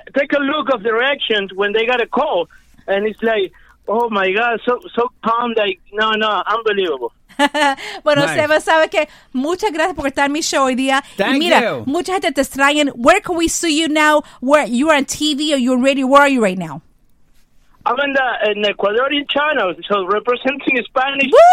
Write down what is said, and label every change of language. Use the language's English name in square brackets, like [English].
[English] Take a look of the reactions when they got a call, and it's like, oh my God, so calm, like, no, unbelievable. [Spanish] Bueno, nice. Seba, sabe que muchas gracias por estar en mi show hoy día. [English] Thank [Spanish] y mira, [English] you. [Spanish] Mucha gente te extraña. [English] Where can we see you now? Where you are on TV or you're radio? Where are you right now? I'm in the Ecuadorian channel, so representing Spanish.